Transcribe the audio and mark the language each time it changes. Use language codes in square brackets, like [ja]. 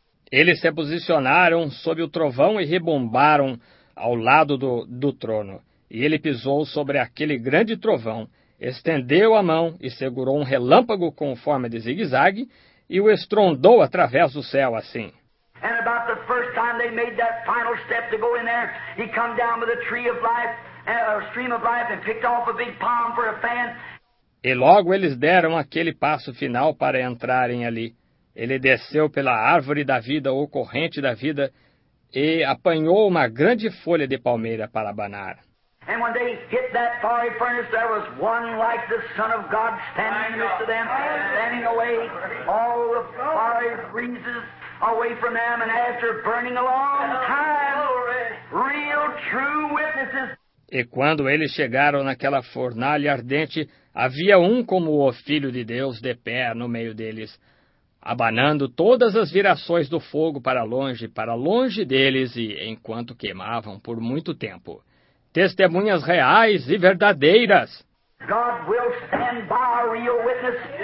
[pt] Eles se posicionaram sob o trovão e rebombaram ao lado do trono. E ele pisou sobre aquele grande trovão, estendeu a mão e segurou um relâmpago com forma de zigue-zague e o estrondou através do céu assim. [en] And about the first time they made that final step to go in there, he come down with a tree of life, a stream of life, and picked off a big palm for a fan. [pt] E logo eles deram aquele passo final para entrarem ali. Ele desceu pela árvore da vida, ou corrente da vida, e apanhou uma grande folha de palmeira para abanar. [en] And when they hit that fiery furnace, there was one like the Son of God standing in the midst of them, standing away all the fiery breezes. Away from them and after burning a long time, real true witnesses. [pt] E quando eles chegaram naquela fornalha ardente, havia um como o Filho de Deus de pé no meio deles, abanando todas as virações do fogo para longe deles e enquanto queimavam por muito tempo. Testemunhas reais e verdadeiras. [en] God will stand by a real witness.